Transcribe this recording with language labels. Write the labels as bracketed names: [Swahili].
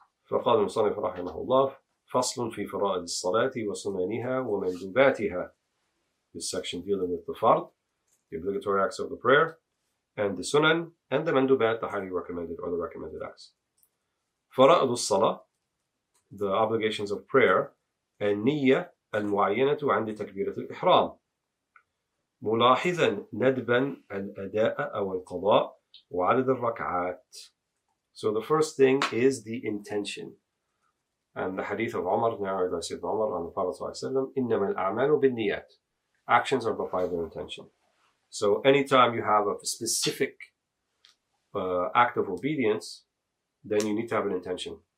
[Arabic] فَقَالَ مُصَنِّفُ رَحِمَهُ اللَّهُ فَصْلٌ فِي فَرَائِدِ الصَّلَاةِ وَسُنَنِهَا وَمَنْدُبَاتِهَا. [English] This section dealing with the fard, the obligatory acts of the prayer, and the sunan, and the mandubat, the highly recommended or the recommended acts. [Arabic] فَرَائِدُ الصَّلَاةِ, [English] the obligations of prayer, and niyyah, [Arabic] المعينة عند تكبيرة الإحرام ملاحظا ندبا الأداء أو القضاء وعدد الركعات. [English] So the first thing is the intention. And the hadith of Umar, narrated by Sayyidina Umar on the Prophet ﷺ, [Arabic] إنما الأعمال بالنيات. [English] Actions are by their intention. So anytime you have a specific act of obedience, then you need to have an intention.